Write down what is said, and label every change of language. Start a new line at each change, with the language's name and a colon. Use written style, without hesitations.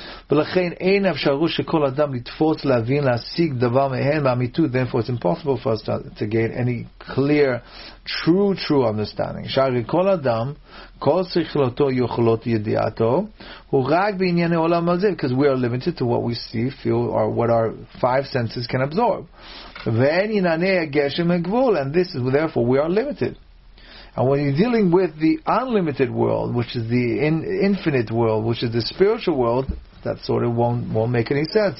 Hebrew: ולכן אין אפשרו שכל אדם לתפוס, להבין, להשיג דבר מהן באמיתות.
English: Therefore, it's impossible for us to gain any clear, true understanding.
Hebrew: שערי כל אדם, כל שכלותו יוכלות ידיעתו, הוא רק בענייני עולם הזה,
English: because we are limited to what we see, feel, or what our five senses can absorb.
Hebrew: ואין ענייני הגשם הגבול,
English: and this is, therefore, we are limited. And when you're dealing with the unlimited world, which is the infinite world, which is the spiritual world, that sort of won't make any sense.